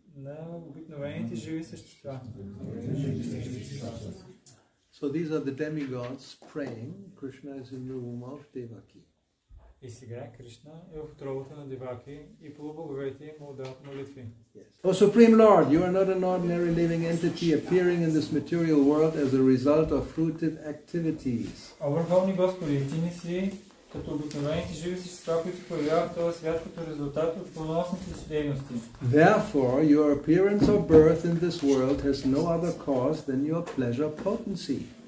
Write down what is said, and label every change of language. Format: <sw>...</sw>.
<bg>На обикновените живи същества.</bg> <en>So these are the demigods praying. Krishna is in the womb of Devaki.</en> <bg>И сега Кришна е в утробата на Деваки и полубоговете му дават молитви.</bg> <en>О Supreme Lord, you are not an ordinary living entity appearing in this material world as a result of fruitive activities.</en> <bg>О Върховни Господи, ти не си като обикновените живи същества, които появяват този свят като резултат от плодоносните си дейности.</bg> <en>Therefore, your appearance or birth in this world has no other cause than your pleasure potency.</en>